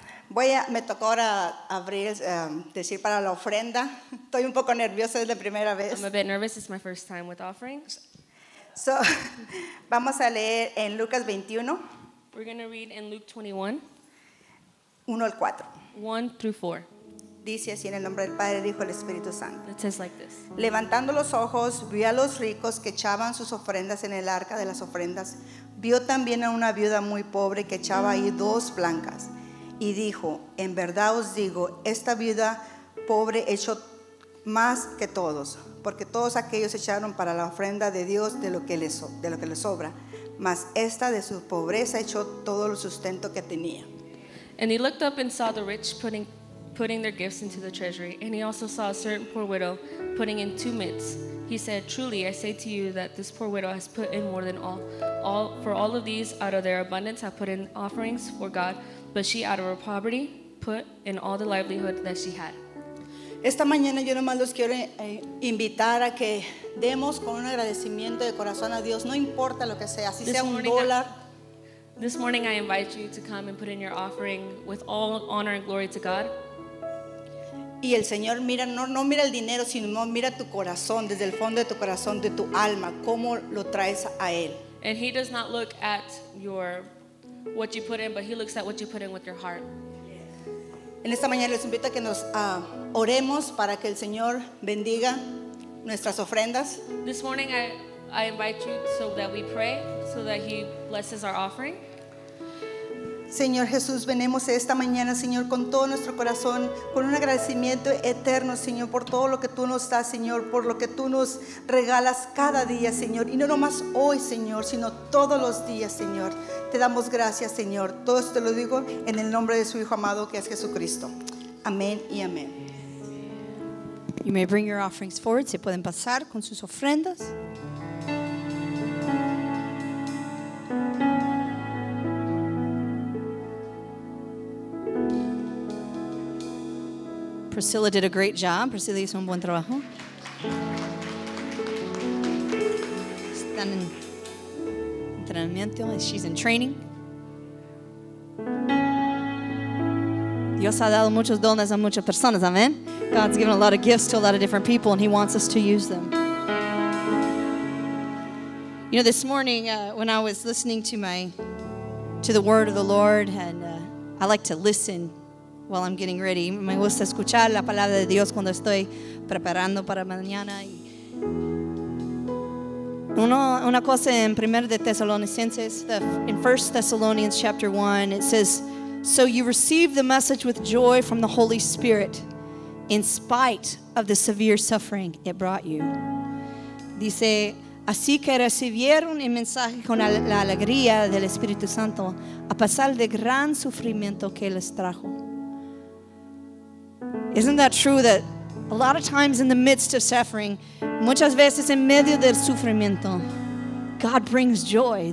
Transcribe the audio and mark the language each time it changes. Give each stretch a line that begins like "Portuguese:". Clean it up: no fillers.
Spanish: Voy a, me tocó ahora abrir, decir para la ofrenda. Estoy un poco nerviosa, es la primera vez.
English: I'm a bit nervous, it's my first time with offerings. So,
Spanish: vamos a leer en Lucas 21.
English: We're going to read in Luke 21.
Spanish: 1 al 4.
English: 1 through 4.
Spanish: Dice así en el nombre del Padre, Hijo y el Espíritu Santo.
English: It says like this.
Spanish: Levantando los ojos, vio a los ricos que echaban sus ofrendas en el arca de las ofrendas. Vio también a una viuda muy pobre que echaba ahí dos blancas. Y dijo, en verdad os digo, esta viuda pobre echó más que todos, porque todos aquellos echaron para la ofrenda de Dios de lo que les sobra, mas esta de su pobreza echó todo el sustento que tenía.
English: And he looked up and saw the rich putting their gifts into the treasury, and he also saw a certain poor widow putting in two mites. He said, truly, I say to you that this poor widow has put in more than all, for all of these out of their abundance have put in offerings for God, but she out of her poverty put in all the livelihood that she had.
Spanish: Esta mañana yo nomás los quiero invitar a que demos con un agradecimiento de corazón a Dios, no importa lo que sea, si sea un dólar.
English: This morning I invite you to come and put in your offering with all honor and glory to God.
Spanish: Y el Señor mira, no mira el dinero, sino mira tu corazón, desde el fondo de tu corazón, de tu alma, cómo lo traes a Él.
English: And He does not look at your what you put in, but He looks at what you put in with your heart.
Spanish: En esta mañana les invito a que nos oremos para que el Señor bendiga nuestras ofrendas.
English: This morning I invite you so that we pray, so that He blesses our offering.
Spanish: Señor Jesús, venimos esta mañana, Señor, con todo nuestro corazón, con un agradecimiento eterno, Señor, por todo lo que Tú nos das, Señor, por lo que Tú nos regalas cada día, Señor, y no nomás hoy, Señor, sino todos los días, Señor. Te damos gracias, Señor. Todo esto te lo digo en el nombre de Su Hijo amado, que es Jesucristo. Amén y amén.
English: You may bring your offerings forward.
Spanish: Se pueden pasar con sus ofrendas.
English: Priscilla did a great job.
Spanish: Priscilla hizo un buen trabajo. Están en entrenamiento.
English: She's in training.
Spanish: Dios ha dado muchos dones a muchas personas.
English: Amen. God's given a lot of gifts to a lot of different people, and He wants us to use them. You know, this morning when I was listening to the word of the Lord, and I like to listen while I'm getting ready.
Spanish: Me gusta escuchar la palabra de Dios cuando estoy preparando para mañana. Una cosa en Primera de Tesalonicenses,
English: in 1 Thessalonians chapter 1, it says, so you receive the message with joy from the Holy Spirit in spite of the severe suffering it brought you.
Spanish: Dice, así que recibieron el mensaje con la alegría del Espíritu Santo a pesar del gran sufrimiento que les trajo.
English: Isn't that true that a lot of times in the midst of suffering,
Spanish: muchas veces en medio del sufrimiento,
English: God brings joy.